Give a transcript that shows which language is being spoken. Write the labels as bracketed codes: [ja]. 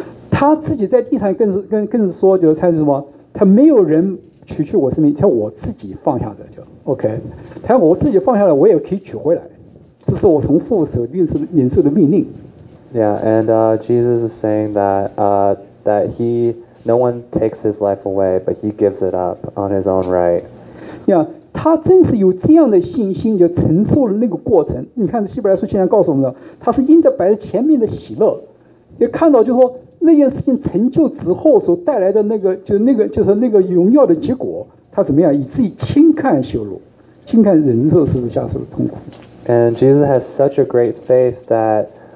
[zh] 他自己在地上更是说，就是他是什么？他没有人取去我生命，他我自己放下的就。 OK， 他我自己放下来，我也可以取回来。这是我从父所领受的命令。 [en] Yeah, and Jesus is saying that no one takes his life away, but he gives it up on his own right. [zh] Yeah, 他真是有这样的信心，就承受了那个过程。你看希伯来书竟然告诉我们，他是因着摆在前面的喜乐，也看到就是说那件事情成就之后所带来的那个就是那个荣耀的结果。他怎么样？以至于轻看羞辱，轻看忍受十字架上的痛苦。 [en] And Jesus has such a great faith that,